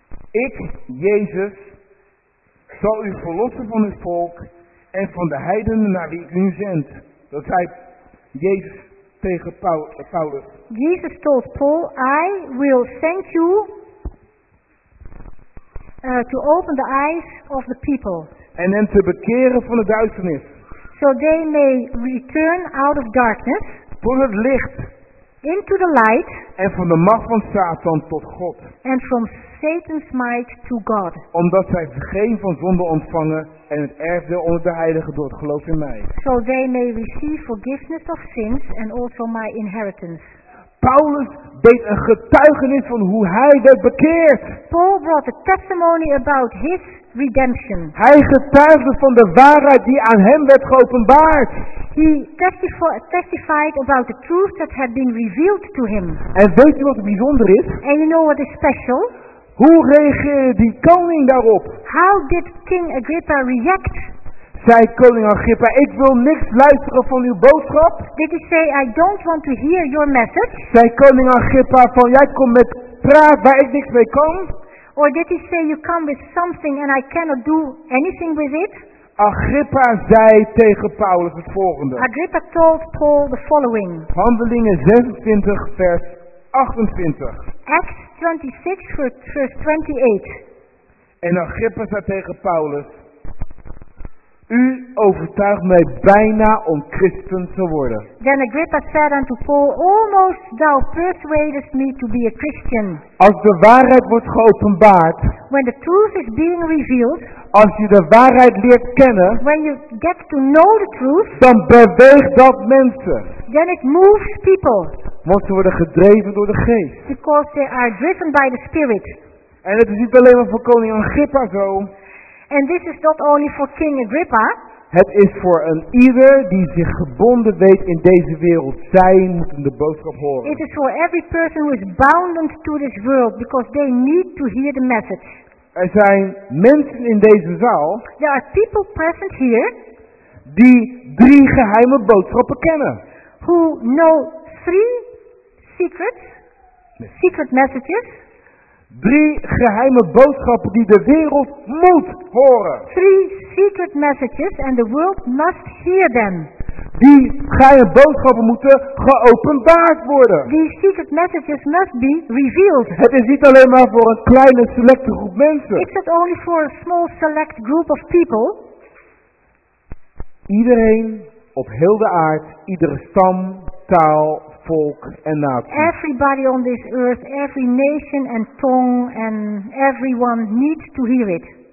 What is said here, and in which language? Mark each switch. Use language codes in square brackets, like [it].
[nl] Ik, Jezus, zal u verlossen van het volk en van de heidenen naar wie ik u zend. Dat zei Jezus tegen Paulus. [en] Jesus told Paul, I will send you to open the eyes of the people. [nl] En hen te bekeren van de duisternis. [en] So they may return out of darkness. [nl] Tot het licht. [en] Into the light. [nl] En van de macht van Satan tot God. [en] And from Satan's might to God. [nl] Omdat zij vergeving van zonde ontvangen en het erfdeel onder de heiligen door het geloof in mij. [en] So they may receive forgiveness of sins and also my inheritance. [nl] Paulus deed een getuigenis van hoe hij werd bekeerd. [en] Paul brought a testimony about his redemption. [nl] Hij getuigde van de waarheid die aan hem werd geopenbaard. [en] He testified about the truth that had been revealed to him. [nl] En weet je wat het bijzonder is? [en] And you know what is special? [nl] Hoe reageerde die koning daarop? [en] How did King Agrippa react? [nl] Zei koning Agrippa, ik wil niks luisteren van uw boodschap. [en] Did he say, I don't want to hear your message? [nl] Zei koning Agrippa, van jij komt met praat waar ik niks mee kan. [en] Or did he say, you come with something and I cannot do anything with it? [nl] Agrippa zei tegen Paulus het volgende. [en] Agrippa told Paul the following. [nl] Handelingen 26 vers 28. [en] Acts 26 vers 28. [nl] En Agrippa zei tegen Paulus. U overtuigt mij bijna om christen te worden. [en] Then Agrippa said unto Paul, almost thou persuadest me to be a Christian. [nl] Als de waarheid wordt geopenbaard. [en] When the truth is being revealed. [nl] Als je de waarheid leert kennen. [en] When you get to know the truth. [nl] Dan beweegt dat mensen. [en] Then it moves people. [nl] Want ze worden gedreven door de geest. [en] Because they are driven by the spirit. [nl] En het is niet alleen maar voor koning Agrippa zo. [en] And this is not only for King Agrippa. [nl] Het is voor een ieder die zich gebonden weet in deze wereld. Zij moeten de boodschap horen. [en] It is for every person who is bound to this world because they need to hear the message. [nl] Er zijn mensen in deze zaal. [en] There are people present here. [nl] Die drie geheime boodschappen kennen. [en] Who know three secrets. Secret messages. [nl] Drie geheime boodschappen die de wereld moet horen. [en] Three secret messages and the world must hear them. [nl] Die geheime boodschappen moeten geopenbaard worden. [en] These secret messages must be revealed. [nl] Het is niet alleen maar voor een kleine selecte groep mensen. [en] It's not only for a small select group of people. [nl] Iedereen op heel de aard, iedere stam, taal, volk en natie. [en] Everybody on this earth, every nation and tongue and everyone needs to hear it.